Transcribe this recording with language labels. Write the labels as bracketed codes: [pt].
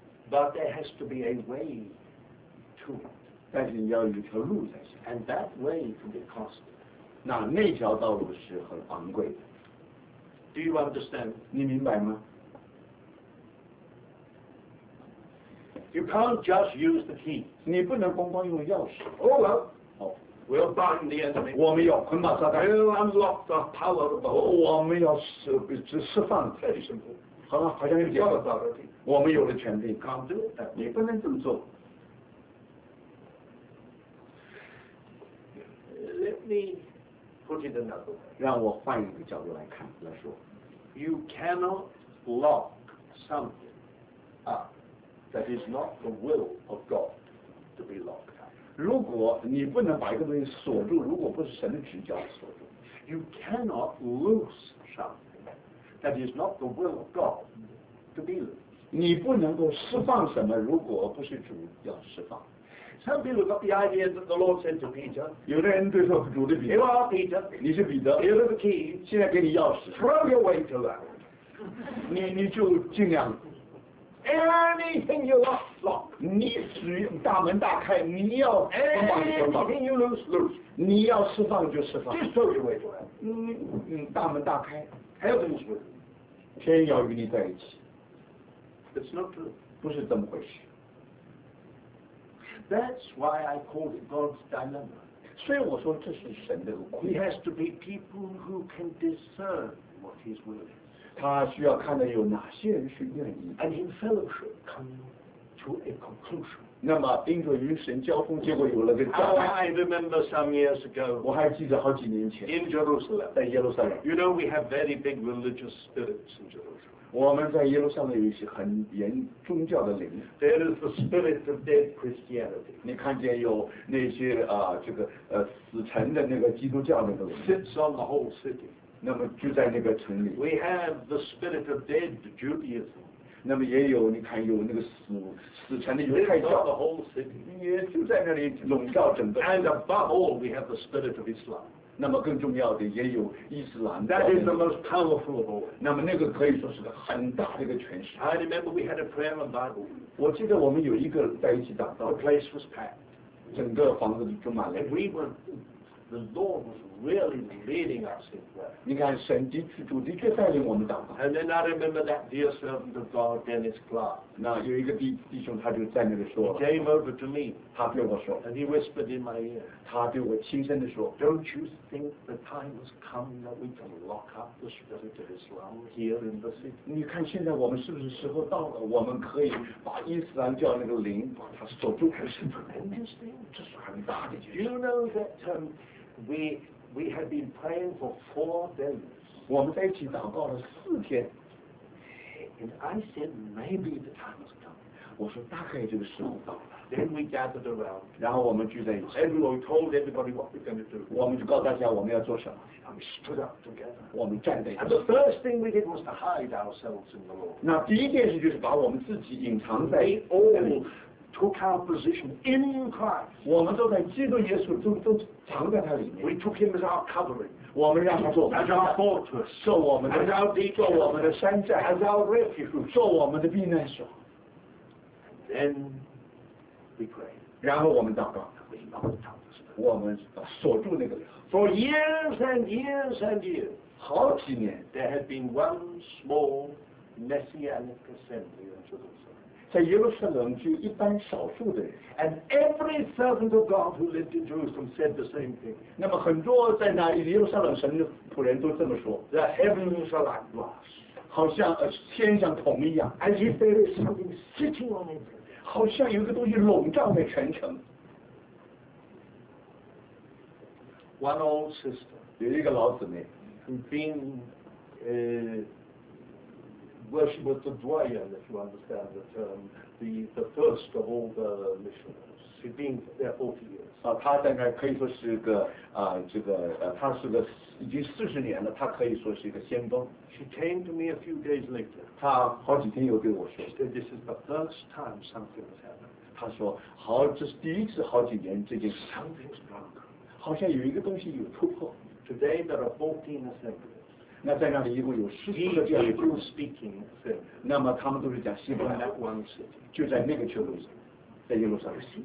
[en] But there has to be a way to it。 [zh] 但是你要有一条路才行。 [en] And that way can be costly。 [zh] 那条道路是很昂贵的。 [en] Do you understand？ [zh] 你明白吗 [en] ？You can't just use the key。 [zh] 你不能光光用钥匙。 [en] Oh well。 We'll bind the enemy。 [zh] 我们要捆绑撒旦。 [en] We'll unlock the power of the Holy。 [zh] 我们要释放。 [en] Very simple。 [zh] 好了，好像有点。 [en] You've got authority。 [zh] 我们有了权柄。 [en] Can't do it。 [zh] 你不能这么做。 [en] Let me put it another way。 [zh] 让我换一个角度来看来说。 [en] You cannot lock something up。 that is not the will of God to be locked up. [zh] 如果你不能把一个东西锁住，如果不是神的旨意锁住 [en] ，You cannot loose something that is not the will of God to be loose. [zh] 你不能够释放什么，如果不是主要释放。 [en] Some people got the idea that the Lord said to Peter, [zh] 有的人对说主的彼得 [en] ，You are Peter. [zh] 你是彼得 [en] ，You have the key. [zh] 现在给你钥匙 [en] ，Throw your weight around. [zh] 你就尽量。 [en] Anything you lock, [zh] 你只大门大开，你要释放就释放。 [en] You lose. [zh] 你要释放就释放。 [en] Just throw your weight around. [zh] 你大门大开 [en] ，Heaven's with you. [zh] 天要与你在一起。 [en] It's not true. [zh] 不是这么回事。 [en] That's why I call it God's dilemma. [zh] 所以我说这是神的困难。 [en] He has to be people who can discern what His will is. [zh] 他需要看到有哪些人是愿意。 [en] And in fellowship, come to a conclusion. [zh] 那么，因着与神交通，结果有了个答案。 [en] I remember some years ago. [zh] 我还记得好几年前。 [en] In Jerusalem. [zh] 在耶路撒冷。 [en] You know, we have very big religious spirits in Jerusalem. [zh] 我们在耶路撒冷有一些很严宗教的灵。 [en] There is the spirit of dead Christianity. [zh] 你看见有那些这个死沉的那个基督教那个灵。 [en] Sits on the whole city. [zh] 那么就在那个城里。 [en] We have the spirit of dead Judaism. [zh] 那么也有，你看有那个死城的犹太教。 [en] It's not the whole city. [zh] 也就在那里笼罩整个。 [en] And above all, we have the spirit of Islam. [zh] 那么更重要的也有伊斯兰。 [en] That is the most powerful of all. [zh] 那么那个可以说是个很大的一个权势。 [en] I remember we had a prayer and Bible. [zh] 我记得我们有一个在一起祷告。 [en] The place was packed. [zh] 整个房子里充满了。 [en] And we were. The Lord was really leading us in prayer. [zh] 你看，神的确，主的确带领我们祷告。 [en] And then I remember that dear servant of God, Dennis Clark. [zh] 那有一个弟兄，他就在那里说。 [en] He came over to me. [zh] 他对我说。 [en] And he whispered in my ear. [zh] 他对我轻声地说。 [en] Don't you think the time has come that we can lock up the spirit of Islam here in the city? [zh] 你看，现在我们是不是时候到了？我们可以把伊斯兰教那个灵把它锁住。 [en] It's a tremendous thing. [zh] 这是很大的一件事。 [en] You know that. We had been praying for 4 days. [zh] 我们在一起祷告了四天。 [en] And I said maybe the time has come. [zh] 我说大概这个时候到了。 [en] Then we gathered around. [zh] 然后我们聚在一起。 [en] Everyone told everybody what we're going to do. [zh] 我们就告诉大家我们要做什么。 [en] And we stood up together. [zh] 我们站在一起。 [en] And the first thing we did was to hide ourselves in the Lord. [zh] 那第一件事就是把我们自己隐藏在。 [en] Took our position in Christ. [zh] 我们都在基督耶稣都藏在他里面。 [en] We took him as our covering. [zh] 我们让他做。 [en] As our fortress. [zh] 做我们的。 [en] As our deep. [zh] 做我们的山寨。 [en] As our refuge. [zh] 做我们的避难所。 [en] Then we pray. [zh] 然后我们祷告。我们锁住那个人。 [en] For years and years and years. [zh] 好几年。 [en] There had been one small messianic assembly in Jerusalem. [zh] 在耶路撒冷就一般少数的人 [en] ，and every servant of God who lived in Jerusalem said the same thing。 [zh] 那么很多在那耶路撒冷神的仆人都这么说 [en] ，the heavens are like glass， [zh] 好像天像铜一样 [en] ，as if there is something sitting on it， [zh] 好像有个东西笼罩在全城。 [en] One old sister， [zh] 有一个老姊妹 [en] ，who been Worship with the Dwayan, if you understand the term, the first of all the missionaries. He'd been there 40 years. [zh] 他大概可以说是个这个他是个已经四十年了，他可以说是一个先锋。 [en] She came to me a few days later. [zh] 他好几天又跟我说。 [en] She said, "This is the first time something has happened." [zh] 他说，好，这是第一次好几年这件事。 [en] Something's broken. [zh] 好像有一个东西有突破。 [en] Today there are 14 assemblies. [zh] 那在那里一共有十四个教会，那么他们都是讲希伯来文，就在那个教会，在耶路撒冷。